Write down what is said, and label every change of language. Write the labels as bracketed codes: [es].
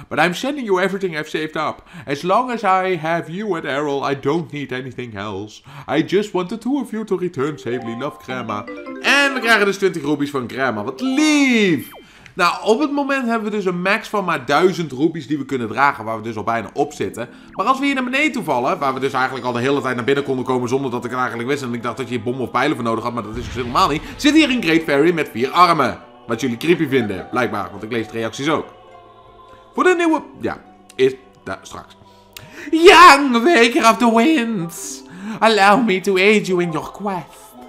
[en] But I'm sending you everything I've saved up. As long as I have you and Errol, I don't need anything else. I just want the two of you to return safely. Love, grandma. [nl] En we krijgen dus 20 rubies van grandma. Wat lief! Nou, op het moment hebben we dus een max van maar 1000 rubies die we kunnen dragen, waar we dus al bijna op zitten. Maar als we hier naar beneden toe vallen, waar we dus eigenlijk al de hele tijd naar binnen konden komen zonder dat ik het eigenlijk wist. En ik dacht dat je hier bommen of pijlen voor nodig had, maar dat is dus helemaal niet. Zit hier een Great Fairy met 4 armen. Wat jullie creepy vinden, blijkbaar, want ik lees de reacties ook. Voor de nieuwe... Ja, is... daar straks. [en] Young Waker of the Winds, allow me to aid you in your quest.